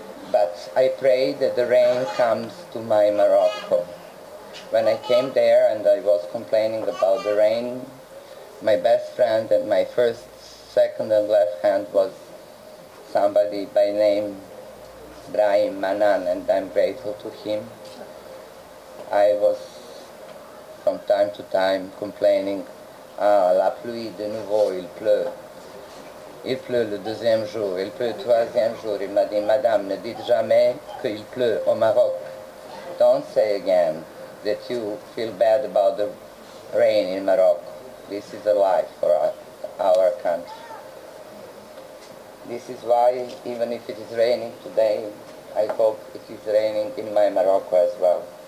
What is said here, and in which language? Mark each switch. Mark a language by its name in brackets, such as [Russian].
[English] But I pray that the rain comes to my Morocco. When I came there and I was complaining about the rain, my best friend and my first, second and left hand was somebody by name Brahim Manan, and I'm grateful to him. I was from time to time complaining, [French] ah, la pluie de nouveau, il pleut le deuxième jour, il pleut le troisième jour. Il m'a dit, madame, ne dites jamais qu'il pleut au Maroc. [English] Don't say again that you feel bad about the rain in Morocco. This is a lie for our country. This is why, even if it is raining today, I hope it is raining in my Morocco as well.